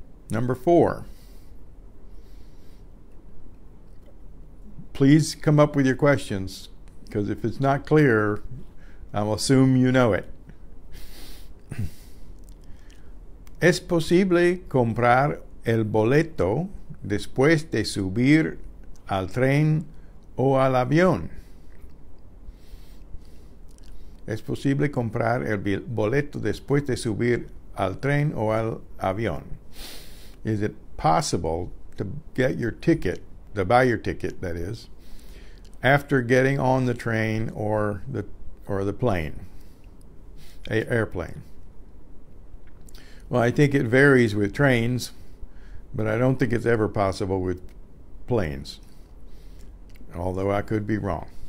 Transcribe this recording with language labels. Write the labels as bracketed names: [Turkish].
[English] Number four. Please come up with your questions, because if it's not clear, I'll assume you know it. [Spanish] ¿Es posible comprar el boleto después de subir al tren o al avión? ¿Es posible comprar el boleto después de subir al tren o al avión? [English] Is it possible to get your ticket, to buy your ticket, that is, after getting on the train or the plane, a airplane? Well, I think it varies with trains, but I don't think it's ever possible with planes, although I could be wrong.